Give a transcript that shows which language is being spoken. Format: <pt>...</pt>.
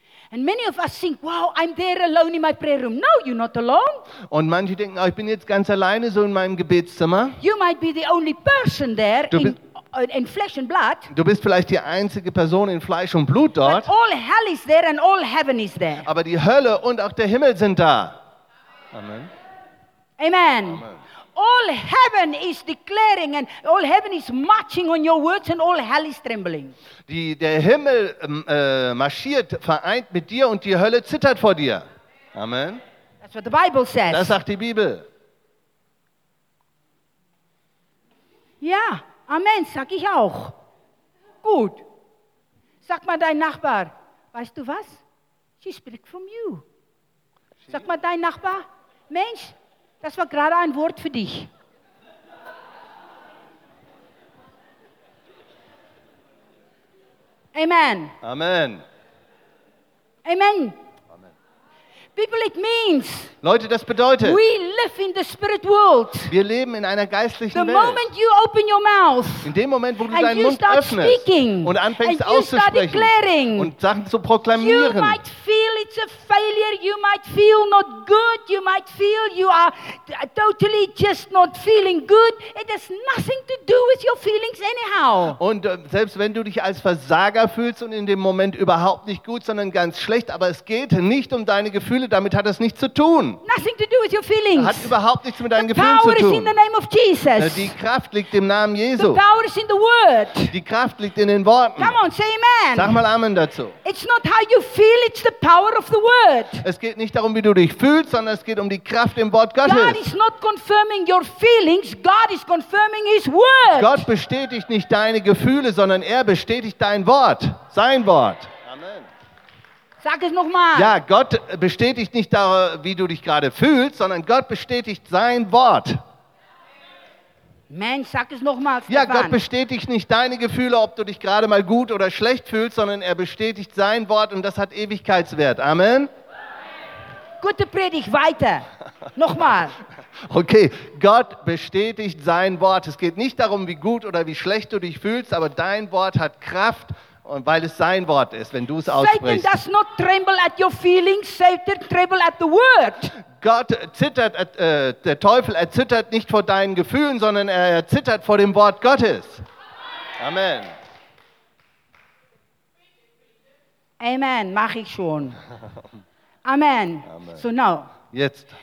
<en>And many of us think, wow, I'm there alone in my prayer room. No, you're not alone.</en> <de>Und manche denken, oh, ich bin jetzt ganz alleine so in meinem Gebetszimmer.</de> <en>You might be the only person there in flesh and blood.</en> <de>Du bist vielleicht die einzige Person in Fleisch und Blut dort.</de> <en>But all hell is there and all heaven is there.</en> <de>Aber die Hölle und auch der Himmel sind da.</de> <en>Amen.</en> <de>Amen. Amen.</de> <en>All heaven is declaring and all heaven is marching on your words and all hell is trembling.</en> <de>Der Himmel marschiert vereint mit dir und die Hölle zittert vor dir.</de> <en>Amen. That's what the Bible says.</en> <de>Das sagt die Bibel. Ja, Amen, sag ich auch. Gut. Sag mal dein Nachbar, weißt du was?</de> <en>She speaks from you.</en> <de>Sag mal dein Nachbar, Mensch, das war gerade ein Wort für dich.</de> <en>Amen.</en> <de>Amen.</de> <en>Amen. Amen. People, it means.</en> <de>Leute, das bedeutet.</de> <en>We live in the spirit world.</en> <de>Wir leben in einer geistlichen</de> <en>the</en> <de>Welt.</de> <en>The moment you open your mouth.</en> <de>In dem Moment, wo du deinen Mund öffnest</de> <en>speaking,</en> <de>und anfängst auszusprechen und Sachen zu proklamieren.</de> <en>You might feel it's a failure. You might feel not good. You might feel you are totally just not feeling good. It has nothing to do with your feelings anyhow.</en> <de>Und selbst wenn du dich als Versager fühlst und in dem Moment überhaupt nicht gut, sondern ganz schlecht, aber es geht nicht um deine Gefühle. Damit hat es nichts zu tun.</de> <en>Nothing to do with your feelings.</en> <de>Hat überhaupt nichts mit deinen Gefühlen zu tun.</de> <en>The power is in the name of Jesus.</en> <de>Die Kraft liegt im Namen Jesu.</de> <en>The power is in the word.</en> <de>Die Kraft liegt in den Worten.</de> <en>Come on, say amen.</en> <de>Sag mal Amen dazu.</de> <en>It's not how you feel, it's the power of the word.</en> <de>Es geht nicht darum, wie du dich fühlst, sondern es geht um die Kraft im Wort Gottes.</de> <en>God is not confirming your feelings, God is confirming his word.</en> <de>Gott bestätigt nicht deine Gefühle, sondern er bestätigt dein Wort, sein Wort. Sag es nochmal. Ja, Gott bestätigt nicht da, wie du dich gerade fühlst, sondern Gott bestätigt sein Wort. Mensch, sag es nochmal, Stefan. Ja, Gott bestätigt nicht deine Gefühle, ob du dich gerade mal gut oder schlecht fühlst, sondern er bestätigt sein Wort und das hat Ewigkeitswert. Amen. Gute Predigt, weiter. Nochmal. Okay, Gott bestätigt sein Wort. Es geht nicht darum, wie gut oder wie schlecht du dich fühlst, aber dein Wort hat Kraft. Und weil es sein Wort ist, wenn du es aussprichst.</de> <en>Satan does not tremble at your feelings, Satan tremble at the word.</en> <de>Gott zittert, der Teufel erzittert nicht vor deinen Gefühlen, sondern er zittert vor dem Wort Gottes.</de> <en>Amen.</en> <de>Amen, mach ich schon. Amen. Amen.</de> <en>So now.</en> <de>Jetzt.</de>